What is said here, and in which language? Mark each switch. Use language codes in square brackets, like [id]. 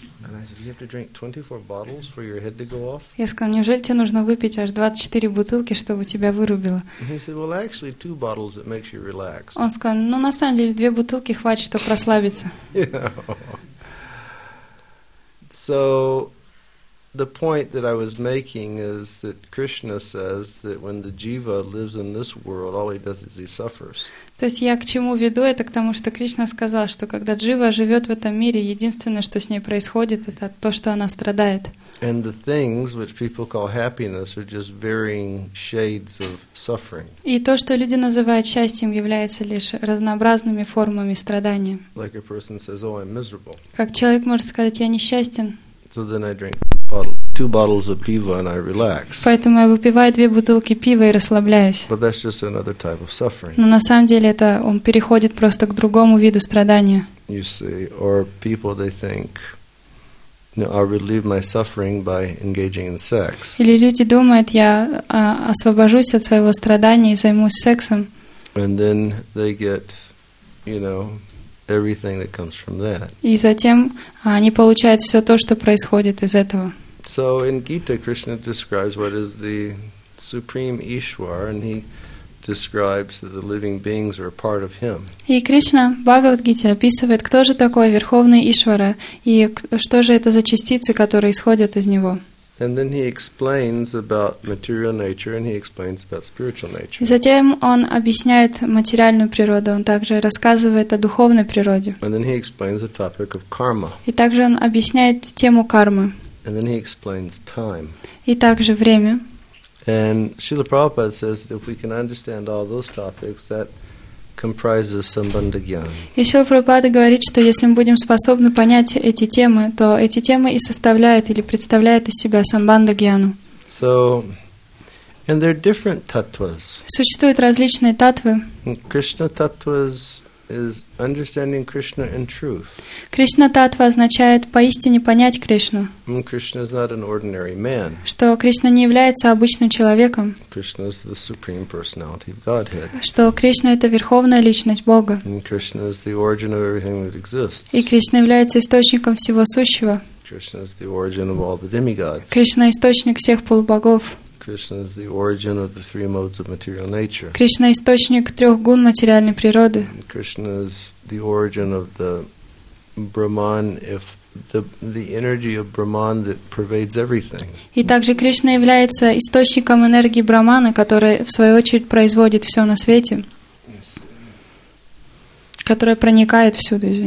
[en] And I said, you have to drink 24 bottles for your head to go off? [ru] Я сказал, неужели тебе нужно выпить аж 24 бутылки, чтобы тебя вырубило? [en] And he said, well, actually, two bottles, it makes you relax. [ru] Он сказал, ну, на самом деле, две бутылки хватит, чтобы расслабиться. [en] So, the point that I was making is that Krishna says that when the jiva lives in this world, all he does is he suffers. [ru] То есть я к чему веду это, к тому, что Кришна сказал, что когда джива живет в этом мире, единственное, что с ней происходит, это то, что она страдает. [en] And the things which people call happiness are just varying shades of suffering. [ru] И то, что люди называют счастьем, является лишь разнообразными формами страдания. [en] Like a person says, "Oh, I'm miserable." [ru] Как человек может сказать, я несчастен? [en] So then I drink two bottles of piva and I relax. [ru] Поэтому я выпиваю две бутылки пива и расслабляюсь. [en] But that's just another type of suffering. [ru] Но на самом деле это он переходит просто к другому виду страдания. [en] You see, or people they think, you know, I relieve my suffering by engaging in sex. [ru] Или люди думают, я освобожусь от своего страдания и займусь сексом. [en] And then they get, you know, everything that comes from that. [ru] И затем они получают все то, что происходит из этого. [en] So in Gita, Krishna describes what is the supreme Ishwar, and he describes that the living beings are a part of him. [ru] И Кришна в Бхагавад-гите описывает, кто же такой верховный Ишвара и что же это за частицы, которые исходят из него. [en] And then he explains about material nature, and he explains about spiritual nature. [ru] И затем он объясняет материальную природу, он также рассказывает о духовной природе. [en] And then he explains the topic of karma. [ru] И также он объясняет тему кармы. [en] And then he explains time. [ru] И также время. [en] And Srila Prabhupada says that if we can understand all those topics, that comprises sambandha jnana. [ru] И Шрила Прабхупада говорит, что если мы будем способны понять эти темы, то эти темы и составляют или представляют из себя самбандха джнану. [en] So, and there are different tattvas. [ru] Существуют различные таттвы. [en] Krishna tattvas is understanding Krishna in truth. [ru] Krishna tattva означает поистине понять Кришну. [en] Krishna is not an ordinary man. [ru] Что Кришна не является обычным человеком. [en] Krishna is the supreme personality of Godhead. [ru] Что Кришна это верховная личность Бога. [en] Krishna is the origin of everything that exists. [ru] И Кришна является источником всего сущего. [en] Krishna is the origin of all the demigods. [ru] Кришна источник всех полубогов. [en] Krishna is the origin of the three modes of material nature. [ru] Кришна источник трёх гун материальной природы. [en] Krishna is the origin of the Brahman, if the energy of Brahman that pervades everything. [ru] И также Кришна является источником энергии Брахмана, которая в свою очередь производит всё на свете. Которая проникает всюду,